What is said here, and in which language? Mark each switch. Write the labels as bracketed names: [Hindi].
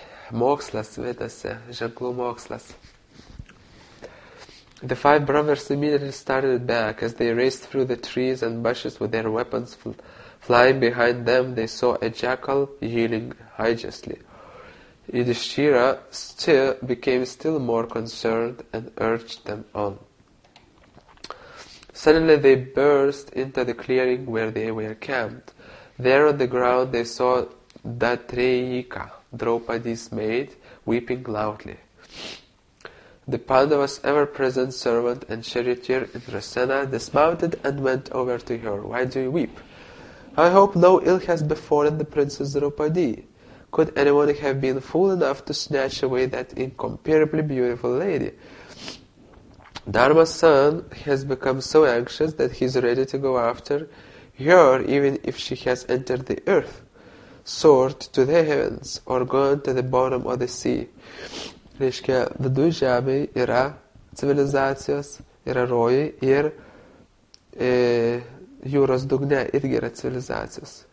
[Lithuanian] Mokslas, vedasi, ženklų mokslas. [English] The five brothers immediately started back. As they raced through the trees and bushes with their weapons flying behind them, they saw a jackal yielding hideously. Yudhishthira became still more concerned and urged them on. Suddenly they burst into the clearing where they were camped. There on the ground they saw Datreyika, Draupadi's maid, weeping loudly. The Pandavas' ever-present servant and charioteer Indrasena dismounted and went over to her. Why do you weep? I hope no ill has befallen the princess Draupadi. Could anyone have been fool enough to snatch away that incomparably beautiful lady? Dharma's son has become so anxious that he's ready to go after her even if she has entered the earth, soared to the heavens, or gone to the bottom of the sea. [Lithuanian] Reiškia, vidui žemėj yra civilizacijos, yra rojai, ir jūros dugne irgi yra civilizacijos.